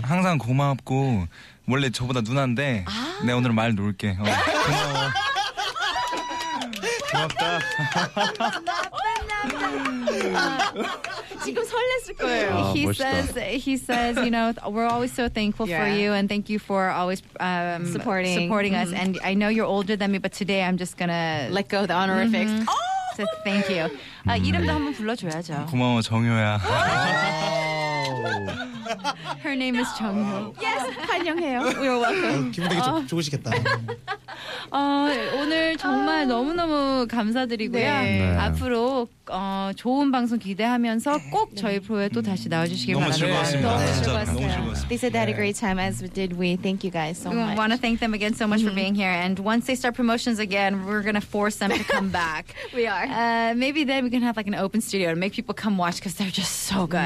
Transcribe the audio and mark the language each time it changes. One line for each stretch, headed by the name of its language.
Korean: 항상 고맙고 원래 저보다 누나인데 아~ 내 오늘은 말 놓을게 고마워 고맙다 지금 설렜을 거예요 아, he 멋있다.
English: says he says you know we're always so thankful yeah. for you and thank you for always supporting mm-hmm. us and I know you're older than me but today I'm just gonna let go the honorifics mm-hmm. oh! so thank you
Korean: 아, 이름도 한번 불러줘야죠. 고마워, 정효야.
English: Her name is 정효. Yes,
Korean: 환영해요.
English: We are welcome.
Korean: 기분 되게 좋으시겠다. 오늘 정말 너무너무 감사드리고요. 네. 네. 앞으로 좋은 방송 기대하면서 꼭 저희 프로에 또 다시 나와주시길 너무 바랍니다. 즐거웠습니다. 너무 즐거웠습니다.
English: They said they had a great time, as did we. Thank you guys so much. We want to thank them again so much mm-hmm. for being here. And once they start promotions again, we're going to force them to come back. We are. Maybe then we can have like an open studio to make people come watch because they're just so good.